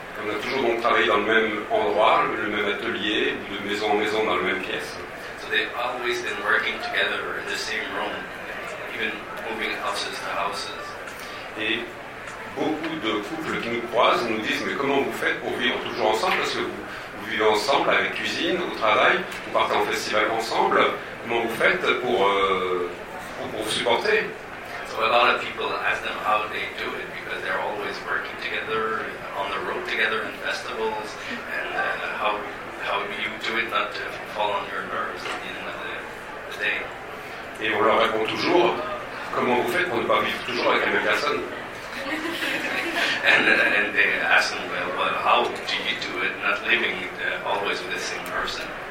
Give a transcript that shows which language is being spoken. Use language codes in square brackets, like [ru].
[fr] On a toujours donc travaillé dans le même endroit, le même atelier, de maison en maison, dans la même pièce. [en] So they've always been working together in the same room, even moving houses to houses. [fr] Et beaucoup de couples qui nous croisent nous disent, mais comment vous faites pour vivre toujours ensemble? Parce que vous vivez ensemble, avec cuisine, au travail, vous partez en festival ensemble. Comment vous faites pour vous supporter? [en] So a lot of people ask them how they do it, because they're always working together, on the road together in festivals, and how you do it not to fall on your nerves at the end of the day. [fr] Et on leur répond toujours, comment vous faites pour ne pas vivre toujours avec la même personne? [en] And they ask them, well, how do you do it not living always with the same person?